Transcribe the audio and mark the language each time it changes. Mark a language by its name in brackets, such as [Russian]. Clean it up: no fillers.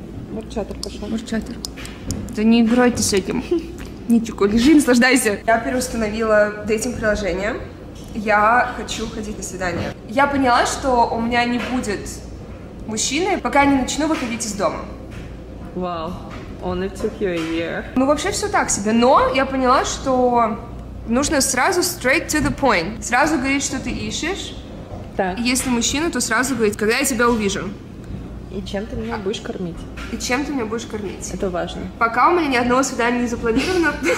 [Russian] Мурчатор пошел. Мурчатор. Да не играйте с этим. Ничего, лежи, наслаждайся. Я переустановила дейтинг-приложение. Я хочу ходить на свидание. Я поняла, что у меня не будет мужчины, пока я не начну выходить из дома. [English] Вау, only took you a year. [Russian] Ну, вообще все так себе. Но я поняла, что нужно сразу [English] straight to the point. [Russian] Сразу говорить, что ты ищешь. Так. Если мужчина, то сразу говорить, когда я тебя увижу. И чем ты меня будешь кормить? И чем ты меня будешь кормить? Это важно. Пока у меня ни одного свидания не запланировано.